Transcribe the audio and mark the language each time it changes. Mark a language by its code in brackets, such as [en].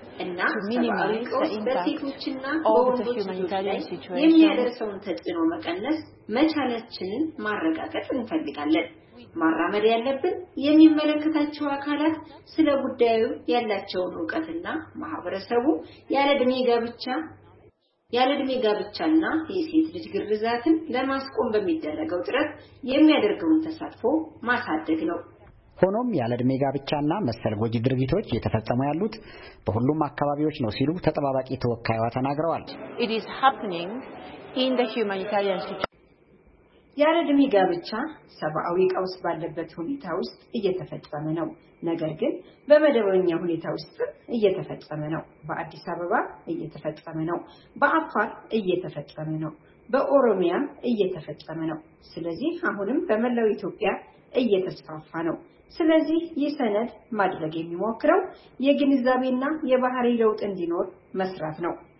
[am] እና [en] to minimize the impact of the humanitarian situation. [am] የሚያደርሰውን ተጽዕኖ መቀነስ መቻላችንን ማረጋገጥ እንፈልጋለን። ማራመድ ያለብን የሚመለከታቸው አካላት ስለ ጉዳዩ ያላቸው ዕውቀትና ማህበረሰቡ ያለ ድሜ ጋብቻና የሴት ልጅ ግርዛትን ለማስቆም በሚደረገው ጥረት የሚያደርገውን ተሳትፎ ማሳደግ ነው። ሆኖም ያለድሜ ጋብቻና መሰል ጎጂ ድርጊቶች እየተፈጸሙ ያሉት በሁሉም አካባቢዎች ነው ሲሉ ተጠባባቂ ተወካይዋ ተናግረዋል። [en] It is happening in the humanitarian situation. [am] ያለድሜ ጋብቻ ሰብአዊ ቀውስ ባለበት ሁኔታ ውስጥ እየተፈጸመ ነው። ነገር ግን በመደበኛ ሁኔታ ውስጥ እየተፈጸመ ነው። በአዲስ አበባ እየተፈጸመ ነው። በአፋር እየተፈጸመ ነው። በኦሮሚያ እየተፈጸመ ነው። ስለዚህ አሁንም በመላው ኢትዮጵያ እየተስፋፋ ነው። ስለዚህ የሰነድ ማድረግ የሚሞክረው የግንዛቤና የባህሪ ለውጥ እንዲኖር መስራት ነው።